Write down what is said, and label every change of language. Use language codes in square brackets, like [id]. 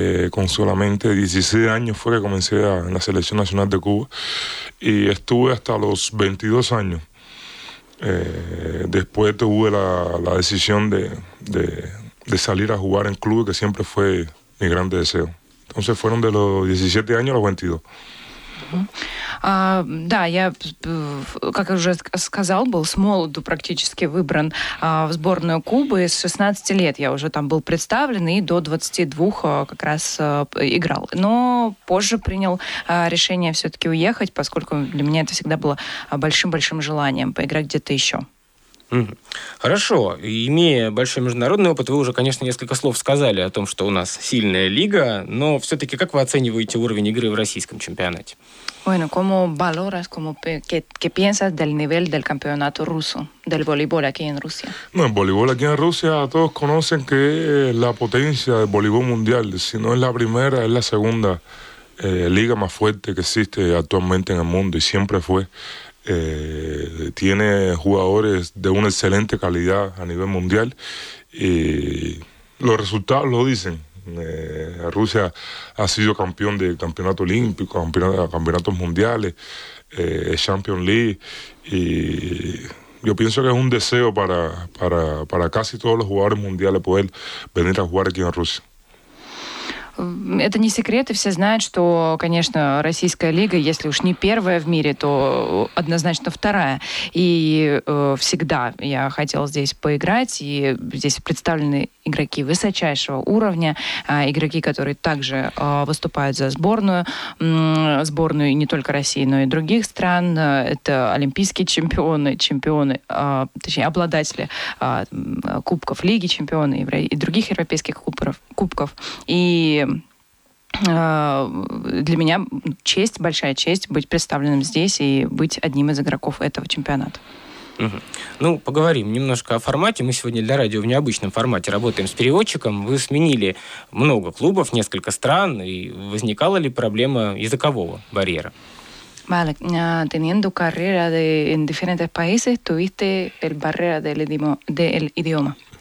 [es] Con solamente 16 años fue que comencé en la selección nacional de Cuba. Y estuve hasta los 22 años. Después tuve la decisión de salir a jugar en clubes, que siempre fue mi grande deseo. Entonces fueron de los 17 años a los 22. [ru] Да, я, как уже сказал, был с молоду практически выбран в сборную Кубы. С 16 лет я уже там был представлен и до 22 как раз играл. Но позже принял решение все-таки уехать, поскольку для меня это всегда было большим-большим желанием поиграть где-то еще. Хорошо. Имея большой международный опыт, вы уже, конечно, несколько слов сказали о том, что у нас сильная лига, но все-таки как вы оцениваете уровень игры в российском чемпионате? [es] Bueno, ¿cómo valoras, cómo qué piensas del nivel del campeonato ruso, del voleibol aquí en Rusia? No, el voleibol aquí en Rusia todos conocen que es la potencia del voleibol mundial. Si no es la primera, es la segunda liga más fuerte que existe actualmente en el mundo y siempre fue. Tiene jugadores de una excelente calidad a nivel mundial y los resultados lo dicen. Rusia ha sido campeón de campeonato olímpico, campeonatos mundiales, Champions League, y yo pienso que es un deseo para casi todos los jugadores mundiales poder venir a jugar aquí en Rusia. [ru] Это не секрет, и все знают, что, конечно, российская лига, если уж не первая в мире, то однозначно вторая. И всегда я хотела здесь поиграть, и здесь представлены игроки высочайшего уровня, игроки, которые также выступают за сборную не только России, но и других стран. Это олимпийские чемпионы, точнее, обладатели кубков Лиги чемпионов и других европейских кубков. И для меня честь, большая честь быть представленным здесь и быть одним из игроков этого чемпионата. Угу. Ну, поговорим немножко о формате. Мы сегодня для радио в необычном формате работаем с переводчиком. Вы сменили много клубов, несколько стран. И возникала ли проблема языкового барьера? [es] Vale, teniendo carrera en diferentes países, tuviste el barrera del idioma.